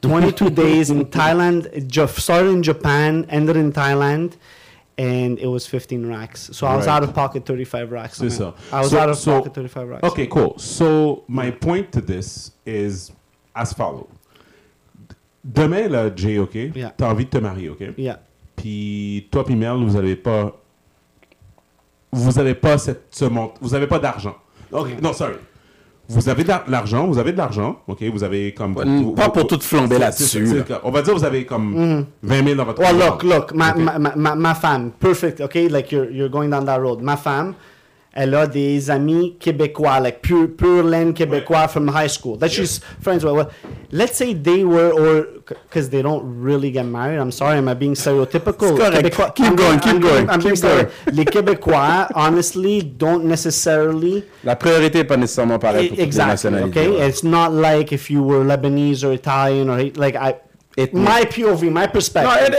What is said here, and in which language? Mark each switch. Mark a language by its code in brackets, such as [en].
[en] 22 days in Thailand. Started in Japan, ended in Thailand, and it was 15 racks. So I was out of pocket 35 racks. Pocket 35 racks. Okay, cool. So my point to this is as follows. [fr] Demain, là, Jay, okay? [en] Yeah. [fr] T'as envie de te marier, okay? [en] Yeah. [fr] Puis toi puis Mel, vous avez pas d'argent. Ok, non, sorry. Vous avez de l'argent, ok, vous avez comme... Pour tout flamber là-dessus. C'est, on va dire vous avez comme 20 000 dans votre... [en] Well, look, [fr] ma femme, [en] perfect, ok, like you're going down that road. [fr] Ma femme, elle a des amis québécois, [en] like pure land québécois from high school. That she's friends with. Let's say they were, or because they don't really get married. I'm sorry, am I being stereotypical? It's correct. Québécois. Keep going. [fr] Les Québécois, honestly, don't necessarily... La priorité n'est pas nécessairement pareille pour toutes les nationalités. [en] Okay? It's not like if you were Lebanese or Italian or... like I. Ethnie. My POV, my perspective.